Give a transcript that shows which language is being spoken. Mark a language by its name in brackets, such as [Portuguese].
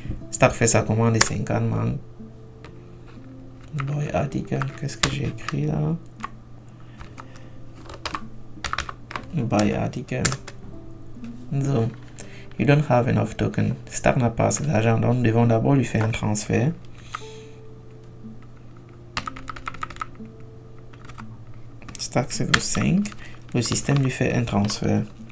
[French] Stack fait sa commande et 50 mangues. Boy article, qu'est-ce que j'ai écrit là? [English] Buy article. Donc, you don't have enough token. [French] Stack n'a pas assez d'argent. Donc nous devons d'abord lui faire un transfert. Stack c'est le 5, le système lui fait un transfert.